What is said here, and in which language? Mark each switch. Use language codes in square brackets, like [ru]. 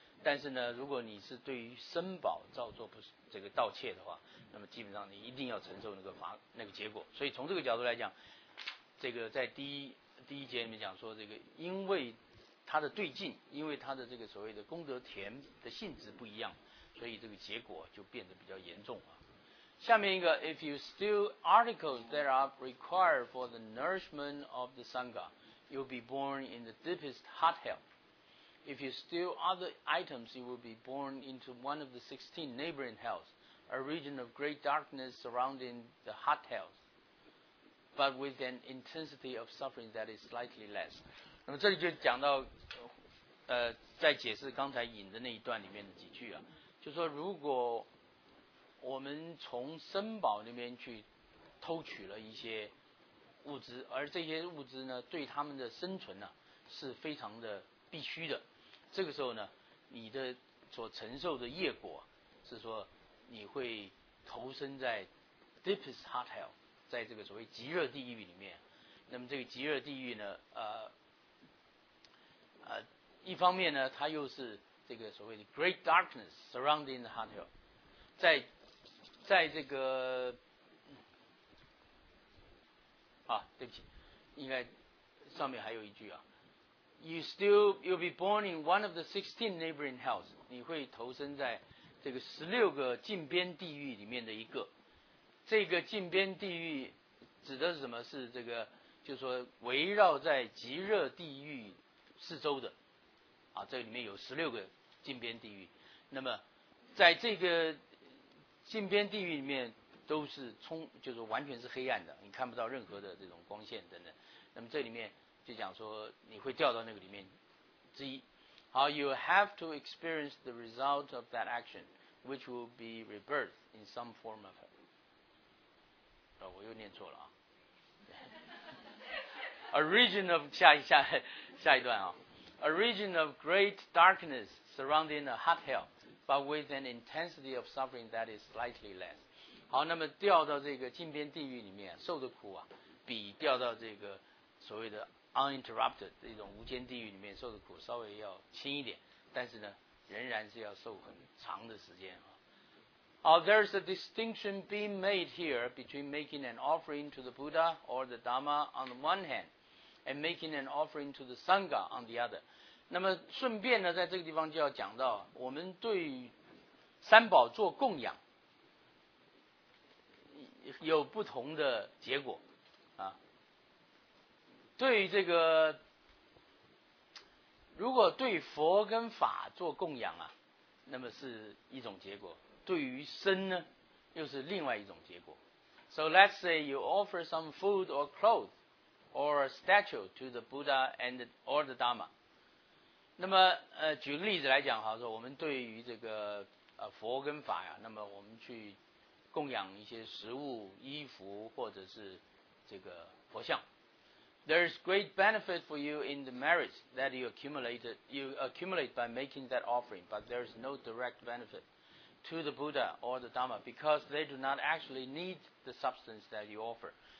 [zh] 但是呢，如果你是对于身宝造作不这个盗窃的话，那么基本上你一定要承受那个罚那个结果。所以从这个角度来讲，这个在第一节里面讲说，这个因为它的对境，因为它的这个所谓的功德田的性质不一样，所以这个结果就变得比较严重啊。下面一个 [en] ，If you steal articles that are required for the nourishment of the sangha, you'll be born in the deepest hot hell. If you steal other items, you will be born into one of the 16 neighboring hells, a region of great darkness surrounding the hot hells, but with an intensity of suffering that is slightly less. [zh] 那么这里就讲到，在解释刚才引的那一段里面的几句啊，就说如果我们从僧宝那边去偷取了一些物资，而这些物资呢，对他们的生存呢，是非常的必须的。这个时候呢，你的所承受的业果是说你会投身在 [en] deepest hot hell， [zh] 在这个所谓极热地狱里面。那么这个极热地狱呢，一方面呢，它又是这个所谓的 [en] great darkness surrounding the hot hell， [zh] 在这个对不起，应该上面还有一句啊。 [en] You'll be born in one of the 16 neighboring hells. [zh] 你会投身在这个16个近边地狱里面的一个。这个近边地狱指的是什么？是这个，就是说围绕在极热地狱四周的。啊，这里面有16个近边地狱。那么，在这个近边地狱里面都是就是完全是黑暗的，你看不到任何的这种光线等等。那么这里面。就讲说你会掉到那个里面之一。 [en] 好 ，You have to experience the result of that action, which will be rebirth in some form of it. [zh] 我又念错了啊。 [en] A region of [zh] 下一段啊 [en] ，A region of great darkness surrounding a hot hell, but with an intensity of suffering that is slightly less. [zh] 好，那么掉到这个禁边地狱里面受的苦啊，比掉到这个所谓的Uninterrupted 这种无间地狱里面受的苦稍微要轻一点，但是呢，仍然是要受很长的时间啊。 [en] 好 ，There is a distinction being made here between making an offering to the Buddha or the Dhamma on the one hand, and making an offering to the Sangha on the other. [zh] 那么顺便呢，在这个地方就要讲到，我们对三宝做供养有不同的结果。对这个，如果对佛跟法做供养啊，那么是一种结果；对于身呢，又是另外一种结果。 [en] So let's say you offer some food or clothes or a statue to the Buddha and or the Dhamma。 [zh] 那么举个例子来讲，好说，我们对于这个佛跟法呀，那么我们去供养一些食物、衣服或者是这个佛像。 [en] There is great benefit for you in the merits that you accumulate by making that offering, but there is no direct benefit to the Buddha or the Dhamma because they do not actually need the substance that you offer.